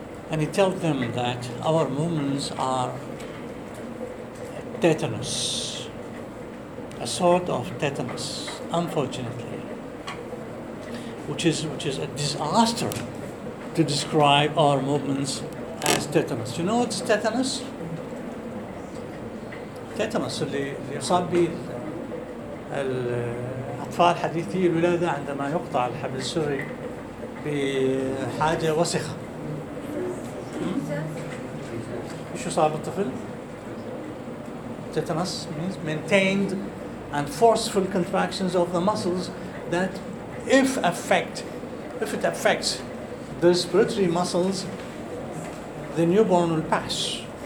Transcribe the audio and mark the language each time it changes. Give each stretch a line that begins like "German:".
English: And he told them that our movements are tetanus, a sort of tetanus, unfortunately, which is a disaster to describe our movements as tetanus. You know what's tetanus?
Arabic: تتمس اللي يصاب به الأطفال حديثي الولادة عندما يقطع الحبل السري بحاجة وسخة. شو صار بالطفل؟
English: تتمس means maintained and forceful contractions of the muscles that if it affects the respiratory muscles, the newborn will pass.